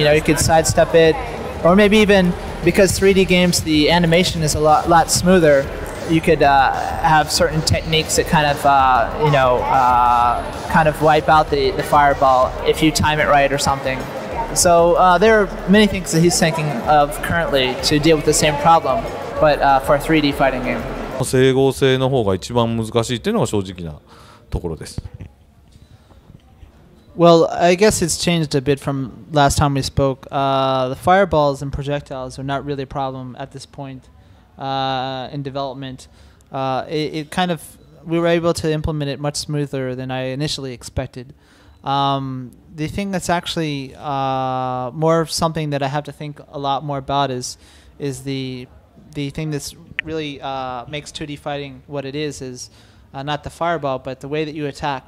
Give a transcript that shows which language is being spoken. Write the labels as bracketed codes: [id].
[en] You know, you could sidestep it, or maybe even because 3D games, the animation is a lot smoother, you could have certain techniques that kind of, you know, kind of wipe out the fireball if you time it right or something. So there are many things that he's thinking of currently to deal with the same problem, but for a 3D fighting game. [ja] 整合性の方が一番難しいっていうのが正直なところです。 [en] Well, I guess it's changed a bit from last time we spoke. The fireballs and projectiles are not really a problem at this point in development. It kind of, we were able to implement it much smoother than I initially expected. The thing that's actually more of something that I have to think a lot more about is the thing that's really makes 2D fighting what it is not the fireball, but the way that you attack.